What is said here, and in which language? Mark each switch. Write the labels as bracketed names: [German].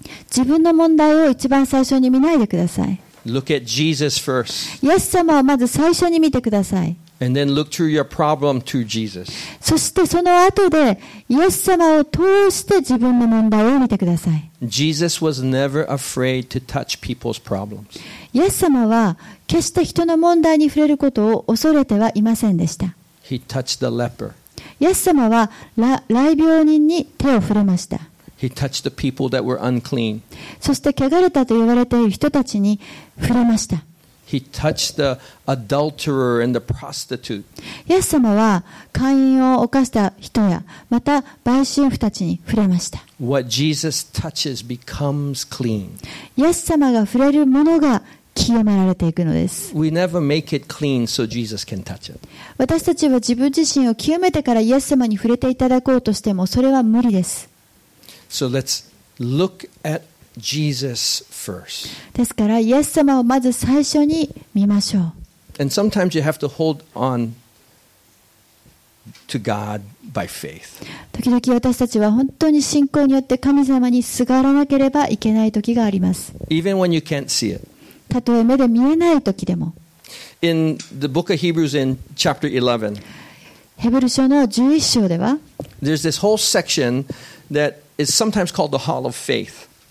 [Japanese] 自分の問題を一番最初に見ないでください。 [English] Look at Jesus first. [Japanese] イエス様をまず最初に見てください。 [English] And then look through your problem to Jesus. [Japanese] そしてその後でイエス様を通して自分の問題を見てください。 [English] Jesus was never afraid to touch people's problems. [Japanese] イエス様は決して人の問題に触れることを恐れてはいませんでした。 [English] He touched the leper. [Japanese] イエス様は癩病人に手を触れました。 [English] He touched the people that were unclean. [Japanese] そして汚れたと言われている人たちに触れました。 [English] He touched the adulterer and the prostitute. [Japanese] イエス様は姦淫を犯した人やまた売春婦たちに触れました。 [English] What Jesus touches becomes clean. [Japanese] イエス様が触れるものが清められていくのです。 [English] We never make it clean so Jesus can touch it. [Japanese] 私たちは自分自身を清めてからイエス様に触れていただこうとしてもそれは無理です。 [English] So let's look at Jesus. [Japanese] ですからイエス様をまず最初に見ましょう。 [English] And sometimes you have to hold on to God by faith. [Japanese] 時々私たちは本当に信仰によって神様にすがらなければいけない時があります。 [English] Even when you can't see it. [Japanese] たとえ目で見えない時でも。 [English] In the book of Hebrews in chapter 11. [Japanese] ヘブル書の11章では。 [English] There's this whole section that is sometimes called the Hall of Faith.